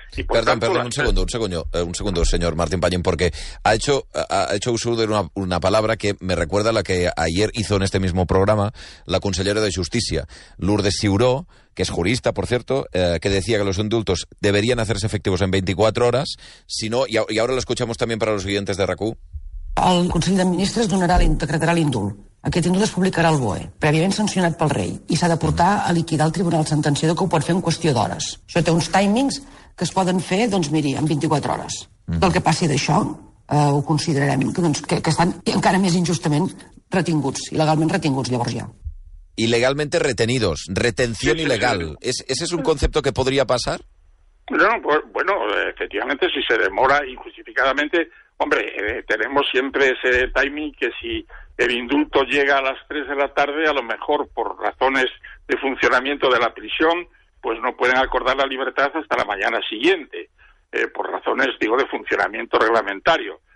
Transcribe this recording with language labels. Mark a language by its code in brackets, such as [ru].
[es] Y perdón, un segundo, señor Martín Pañín, porque ha hecho uso de una palabra que me recuerda a la que ayer hizo en este mismo programa la consellera de Justicia, Lourdes Siuró, que es jurista, por cierto, que decía que los indultos deberían hacerse efectivos en 24 horas, si no, y ahora lo escuchamos también para los oyentes de RAC1. [ca] El Consell de Ministres decretarà l'indult. Aquest indult es publicarà al BOE, prèviament sancionat pel rei, i s'ha de portar a liquidar el tribunal sentenciador, que ho pot fer en qüestió d'hores. Això té uns timings que es poden fer, doncs, miri, en 24 hores. Mm. El que passi d'això, ho considerarem, que estan encara més injustament retinguts, il·legalment retinguts, llavors ja. [es] Ilegalmente retenidos, retención ilegal. ¿Ese es un concepto que podría pasar? Bueno, efectivamente, si se demora injustificadamente... Hombre, tenemos siempre ese timing que si el indulto llega a las 3 de la tarde, a lo mejor por razones de funcionamiento de la prisión, pues no pueden acordar la libertad hasta la mañana siguiente, por razones, digo, de funcionamiento reglamentario.